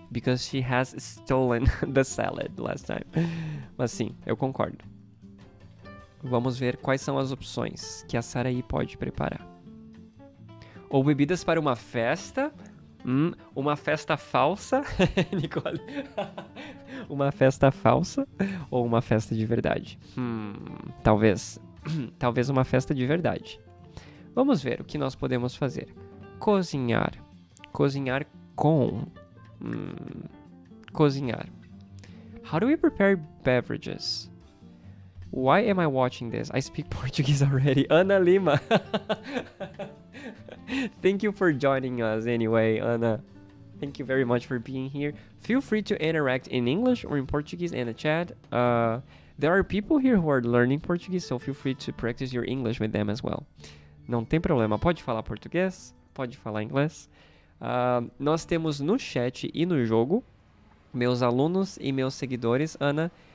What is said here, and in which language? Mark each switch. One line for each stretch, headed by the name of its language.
English: Because she has stolen the salad last time.
Portuguese: Mas sim, eu concordo. Vamos ver quais são as opções que a Sarai pode preparar. Ou bebidas para uma festa. Uma festa falsa, Nicole. Uma festa falsa ou uma festa de verdade? Talvez. Talvez uma festa de verdade. Vamos ver o que nós podemos fazer. Cozinhar. Cozinhar com. Cozinhar.
English: How do we prepare beverages? Why am I watching this? I speak Portuguese already. Ana Lima. Thank you for joining us anyway, Ana. Thank you very much for being here. Feel free to interact in English or in Portuguese in the chat. There are people here who are learning Portuguese, so feel free to practice your English with them as well.
Portuguese: Não tem problema. Pode falar português, pode falar inglês. Nós temos no chat e no jogo meus alunos e meus seguidores, Ana.